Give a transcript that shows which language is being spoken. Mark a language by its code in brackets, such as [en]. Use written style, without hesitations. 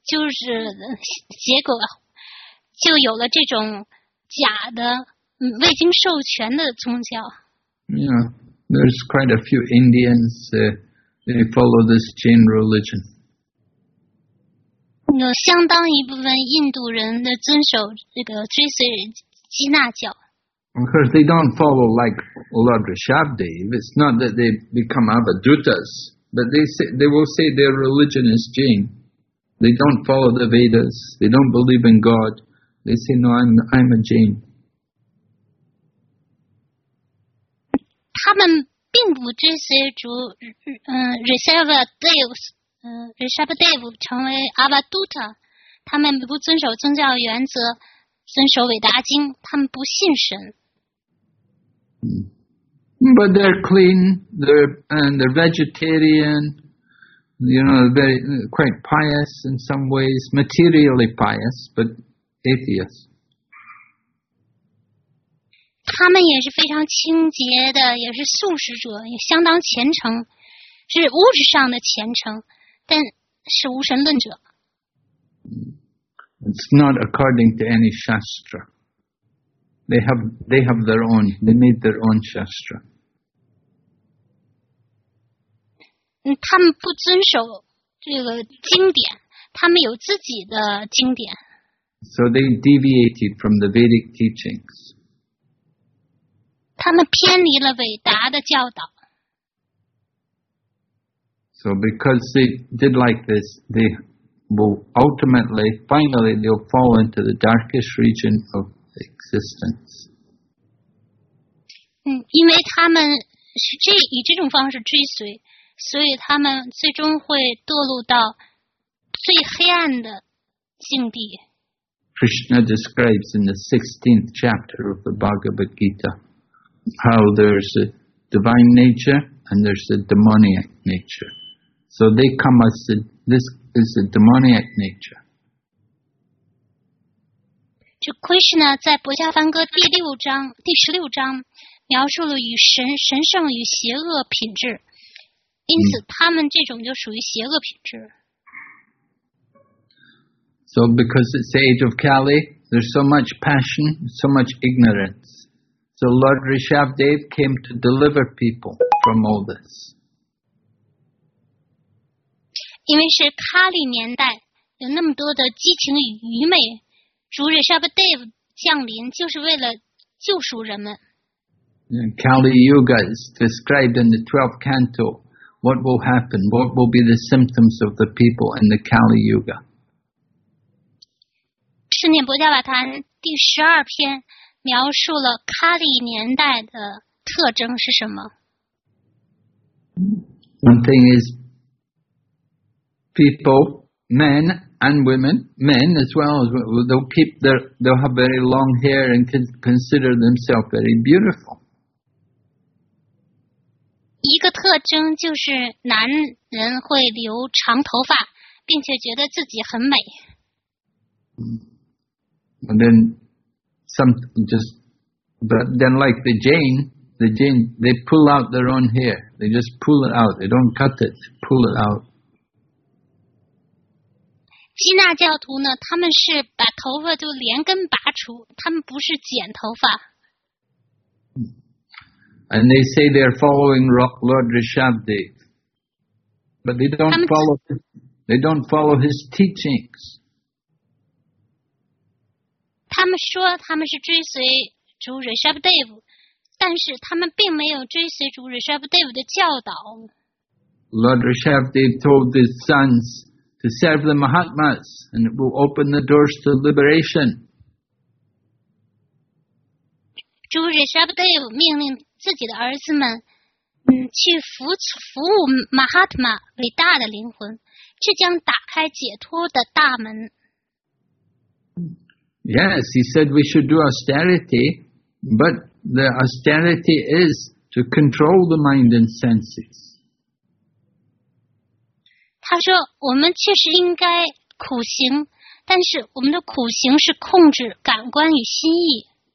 [zh] 结果就有了这种假的未经授权的宗教。 [en] Yeah, there's quite a few Indians, they follow this Jain religion. [zh] 有相当一部分印度人的遵守这个追随基纳教。 [en] Of course, they don't follow like Lord Rishabdev. It's not that they become Avadutas, but they will say their religion is Jain. They don't follow the Vedas. They don't believe in God. They say, no, I'm a Jain. [zh] 他们并不追随主Rishabdev 成为 Avaduta. 他们不遵守宗教原则，遵守韦达经。他们不信神。 [en] But they're clean, they're vegetarian, you know, very quite pious in some ways, materially pious, but atheists. [zh] 他们也是非常清洁的，也是素食者，也相当虔诚，是物质上的虔诚，但是无神论者。 [en] It's not according to any shastra. They have their own. They made their own shastra. [zh] 他们不遵守这个经典，他们有自己的经典。 [en] So they deviated from the Vedic teachings. [zh] 他们偏离了伟达的教导。 [en] So because they did like this, they will ultimately, finally, they'll fall into the darkest region of existence. [zh] 因为他们是以这种方式追随，所以他们最终会堕入到最黑暗的境地。 [en] Krishna describes in the 16th chapter of the Bhagavad Gita. How there's a divine nature and there's a demoniac nature. So they come as a, this is a demoniac nature. [zh] 就 Krishna 在博伽梵歌第六章第十六章描述了与神圣与邪恶品质，因此他们这种就属于邪恶品质。 [en] So because it's the age of Kali, there's so much passion, so much ignorance. So Lord Rishabhdev came to deliver people from all this. [zh] 因为是卡利年代，有那么多的激情与愚昧，主 Rishabhdev 降临就是为了救赎人们。 [en] Kali Yuga is described in the 12th canto. What will happen? What will be the symptoms of the people in the Kali Yuga? [zh] 十念博伽瓦坛第十二篇。描述了卡利年代的特征是什么 [en] ？One thing is people, men and women, men as well as they'll keep their, they'll have very long hair and consider themselves very beautiful. [zh] 一个特征就是男人会留长头发，并且觉得自己很美。 [en] And then. But then like the Jain, they pull out their own hair. They just pull it out. They don't cut it, pull it out. [zh] 基纳教徒呢，他们是把头发就连根拔除，他们不是剪头发。 [en] And they say they are following Lord Rishabhdev. But they don't follow his teachings. [zh] 他们说他们是追随主 Rishabhdev, 但是他们并没有追随主 Rishabhdev 的教导。 [en] Lord Rishabhdev told his sons to serve the Mahatmas and it will open the doors to liberation. [zh] 主 Rishabhdev 命令自己的儿子们去服务 Mahatma 伟大的灵魂，这将打开解脱的大门。 [en] Yes, he said we should do austerity, but the austerity is to control the mind and senses. [zh] 他说我们确实应该苦行，但是我们的苦行是控制感官与心意。